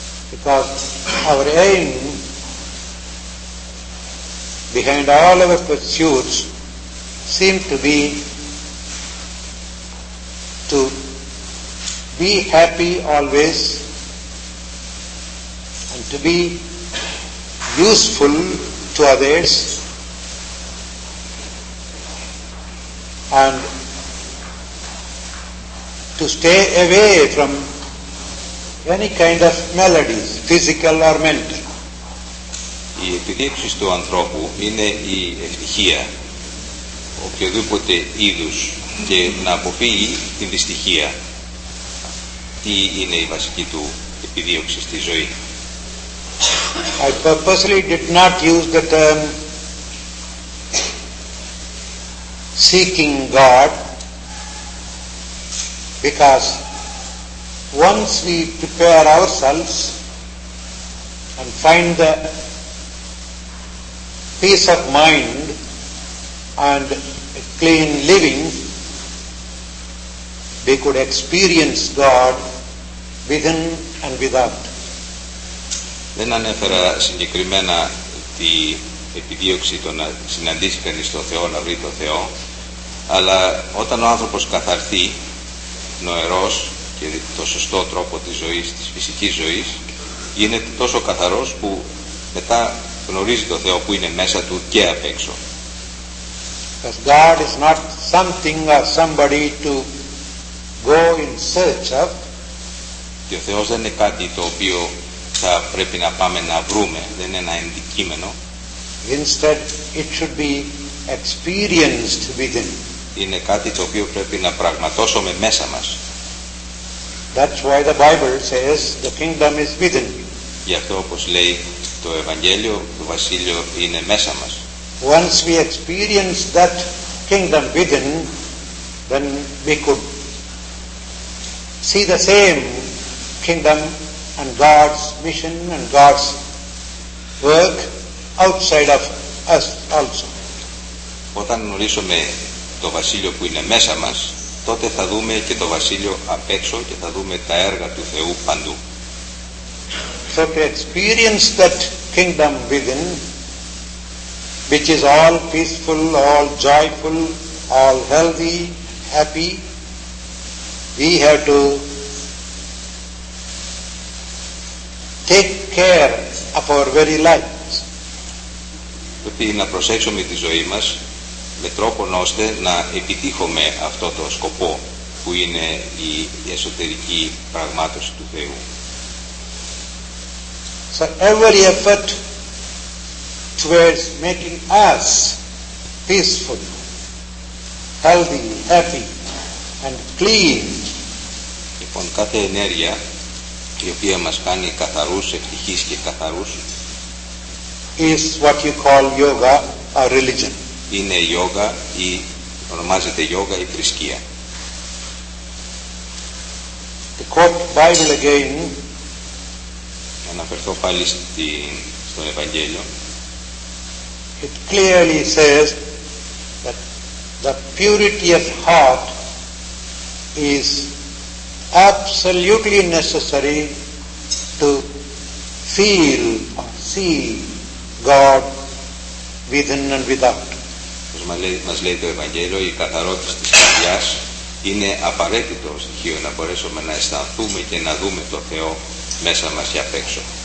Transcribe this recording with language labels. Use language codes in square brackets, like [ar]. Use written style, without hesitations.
[en] Because our aim behind all our pursuits seem to be to be happy always and to be useful to others and to stay away from any kind of maladies, physical or mental. [el] Η επιδίωξη του ανθρώπου είναι η ευτυχία οποιοδήποτε είδους και να αποφύγει την δυστυχία. Τι είναι η βασική του επιδίωξη στη ζωή. [en] I purposely did not use the term seeking God, because once we prepare ourselves and find the peace of mind and a clean living, we could experience God within and without. [el] Δεν ανέφερα συγκεκριμένα τη επιδίωξη το να συναντήσει κανείς τον Θεό, να βρει τον Θεό, αλλά όταν ο άνθρωπος καθαρθεί νοερός και το σωστό τρόπο της ζωής, της φυσικής ζωής, γίνεται τόσο καθαρός που μετά γνωρίζει τον Θεό που είναι μέσα του και απ' έξω. [en] Because God is not something or somebody to go in search of. [el] Και ο Θεός δεν είναι κάτι το οποίο θα πρέπει να πάμε να βρούμε, δεν είναι ένα αντικείμενο. [en] Instead, it should be experienced within. [el] Είναι κάτι το οποίο πρέπει να πραγματώσουμε μέσα μας. [en] That's why the Bible says the kingdom is within. [el] Γι' αυτό όπως λέει το Ευαγγέλιο, το Βασίλειο είναι μέσα μας. [en] Once we experience that kingdom within, then we could see the same kingdom and God's mission and God's work outside of us also. [el] όταν γνωρίσουμε το βασίλειο που είναι μέσα μας, τότε θα δούμε και το βασίλειο απ' έξω και θα δούμε τα έργα του Θεού παντού. [en] So to experience that kingdom within, which is all peaceful, all joyful, all healthy, happy, we have to take care of our very lives. [el] Πρέπει να προσέξουμε τη ζωή μας με τρόπο ώστε να επιτύχουμε αυτό το σκοπό που είναι η εσωτερική πραγμάτωση του Θεού. [en] So every effort towards making us peaceful, healthy, happy and clean. [el] Λοιπόν, κάθε ενέργεια η οποία μας κάνει καθαρούς, ευτυχείς και καθαρούς [en] is what you call yoga or religion. [el] Είναι yoga ή ονομάζεται yoga ή θρησκεία. [en] To quote Bible again, [el] αναφερθώ πάλι στον Ευαγγέλιο. [en] It clearly says that the purity of heart is absolutely necessary to feel or see God within and without. [el] Όπως μας λέει το Ευαγγέλιο, η καθαρότητα της καρδιάς είναι απαραίτητο στοιχείο να μπορέσουμε να αισθανθούμε και να δούμε το Θεό μέσα μας και απ' έξω.